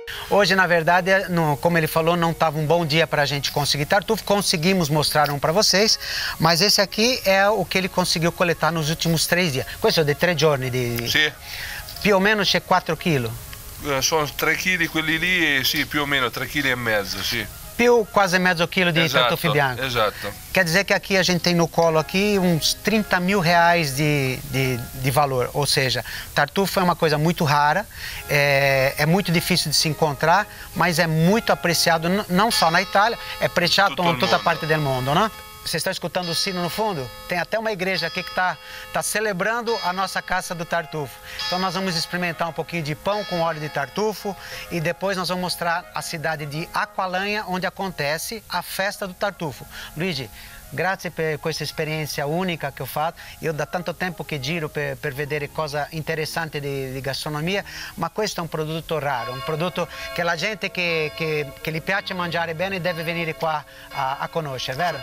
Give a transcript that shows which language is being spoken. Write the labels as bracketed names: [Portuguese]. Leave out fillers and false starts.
[Portuguese] Hoje, na verdade, como ele falou, não estava um bom dia para a gente conseguir tartufo. Conseguimos mostrar um para vocês, mas esse aqui é o que ele conseguiu coletar nos últimos 3 dias. [Italian] Questo de 3 giorni di. Sì. Sí. Più o meno c'è 4 kg. Sono 3 kg quelli lì, sì, più o meno 3 kg e mezzo, sì. Più quasi mezzo chilo di, esatto, tartufi bianco. Esatto. [Portuguese] Quer dizer que aqui a gente tem no colo aqui uns 30 mil reais de valor. Ou seja, tartufo é uma coisa muito rara, é muito difícil de se encontrar, mas é muito apreciado não só na Itália, é apreciado em toda parte do mundo, né? Vocês estão escutando o sino no fundo? Tem até uma igreja aqui que tá celebrando a nossa caça do tartufo. Então nós vamos experimentar um pouquinho de pão com óleo de tartufo e depois nós vamos mostrar a cidade de Aqualanha, onde acontece a festa do tartufo. [Italian] Luigi, grazie per questa esperienza unica che ho fatto. Io da tanto tempo che giro per vedere cose interessanti di gastronomia, ma questo è un prodotto raro, un prodotto che la gente che gli piace mangiare bene deve venire qua a conoscere, vero?